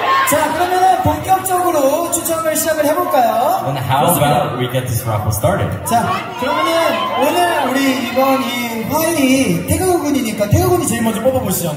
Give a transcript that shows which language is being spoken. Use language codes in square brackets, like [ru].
[ko] 자, 그러면 본격적으로 추첨을 시작을 해볼까요? [en] Then how about we get this raffle started? [ko] 자, 그러면 오늘 우리 이번 이 화인이 태극군이니까 태극군이 제일 먼저 뽑아보시죠.